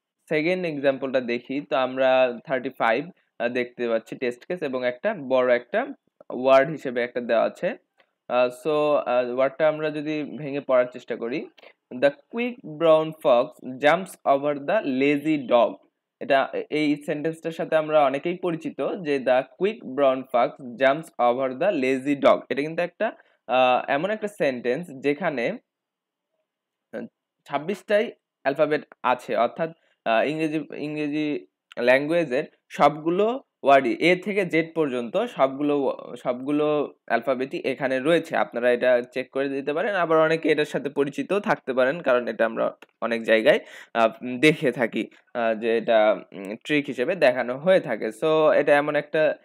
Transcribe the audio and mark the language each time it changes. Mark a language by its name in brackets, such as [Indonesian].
[Bangla] Second এক্সাম্পলটা দেখি তো আমরা 35 দেখতে পাচ্ছি টেস্ট কেস এবং একটা বড় একটা ওয়ার্ড হিসেবে একটা দেওয়া আছে সো ওয়ার্ডটা আমরা যদি ভেঙে পড়ার চেষ্টা করি [English] The quick brown fox jumps over the lazy dog. [Bangla] এটা এই সেন্টেন্সটার সাথে আমরা অনেকেই পরিচিত যে [English] the quick brown fox jumps over the lazy dog. [Bangla] এটা কিন্তু একটা এমন একটা সেন্টেন্স যেখানে 26টাই অ্যালফাবেট আছে অর্থাৎ ইংরেজি ল্যাঙ্গুয়েজের সবগুলো ওয়ার্ডই এ থেকে জেড পর্যন্ত সবগুলো অ্যালফাবেটই এখানে রয়েছে আপনারা এটা চেক করে দিতে পারেন আবার অনেকে এটার সাথে পরিচিত থাকতে পারেন কারণ এটা আমরা অনেক জায়গায় দেখে থাকি যে এটা ট্রিক হিসেবে দেখানো হয়ে থাকে সো এটা এমন একটা